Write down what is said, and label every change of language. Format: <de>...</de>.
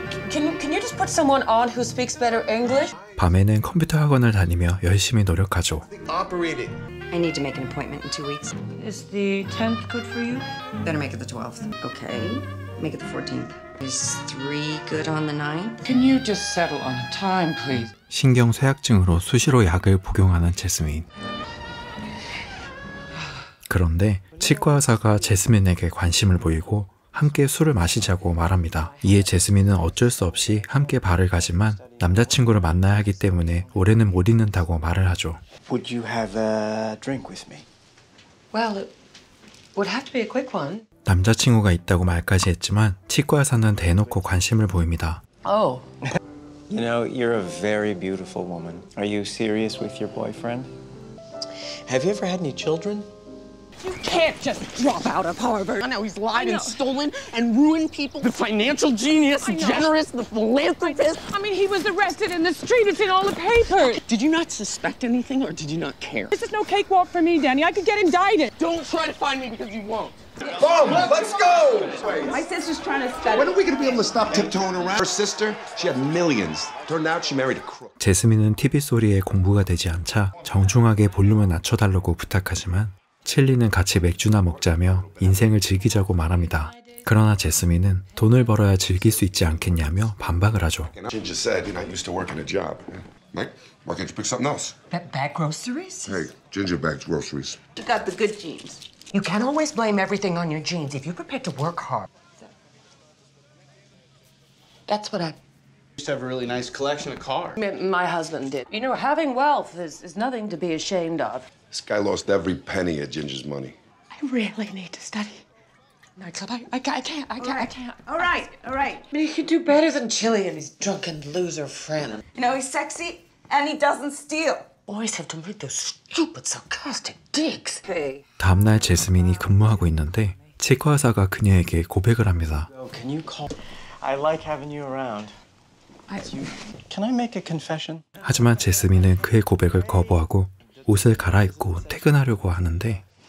<en>Can you just put someone on who speaks better English?</en> <ko>밤에는 컴퓨터 학원을 다니며 열심히 노력하죠.</ko> <en>Operating. I need to make an appointment in 2 weeks. Is the 10th good for you? Better make it the 12th. Okay. Make it the 14th. Is 3 good on the 9th? Can you just settle on a time, please?</en> <ko>신경 쇠약증으로 수시로 약을 복용하는 제스민. 그런데 치과 의사가 제스민에게 관심을 보이고 함께 술을 마시자고 말합니다. 이에 제스민은 어쩔 수 없이 함께 바를 가지만 남자친구를 만나야 하기 때문에 올해는 못 있는다고 말을 하죠.</ko> <en>Would you have a drink with me? Well, it would have to be a quick one.</en> <ko>남자친구가 있다고 말까지 했지만 치과 의사는 대놓고 관심을 보입니다.</ko> <en>Oh. You know, you're a very beautiful woman. Are you serious with your boyfriend? Have you ever had any children? You can't just drop out of Harvard. I know he's lied and stolen and ruined people. The financial genius, generous, the philanthropist. I mean, he was arrested in the street. It's in all the papers. Did you not suspect anything or did you not care? This is no cakewalk for me, Danny. I could get indicted. Don't try to find me because you won't. Boom, let's go. My sister's trying to study. When are we going to be able to stop tiptoeing around? Her sister, she had millions. Turned out she married a crook.</en> <ko>제스민은 TV 소리에 공부가 되지 않자 정중하게 볼륨을 낮춰달라고 부탁하지만 칠리는 같이 맥주나 먹자며 인생을 즐기자고 말합니다. 그러나 제스민은 돈을 벌어야 즐길 수 있지 않겠냐며 반박을 하죠.</ko> <en>Ginger said you're not used to working a job. Why can't you pick something else? Bag groceries? Hey, Ginger bags groceries. You got the good genes. You can't always blame everything on your genes if you're prepared to work hard. That's what I... You used to have a really nice collection of cars. My husband did. You know, having wealth is nothing to be ashamed of. This guy lost every penny of Ginger's money. I really need to study. Nightclub, I can't. All right. But he could do better than Chili and his drunken loser friend. You know, he's sexy and he doesn't steal. Boys have to meet those stupid, sarcastic dicks. Hey.</en> <ko>다음날 제스민이 근무하고 있는데 치과 의사가 그녀에게 고백을 합니다.</ko> <en>Can you call? I like having you around. Can I make a confession?</en> <ko>하지만 제스민은 그의 고백을 거부하고 옷을 갈아입고 퇴근하려고 하는데</ko>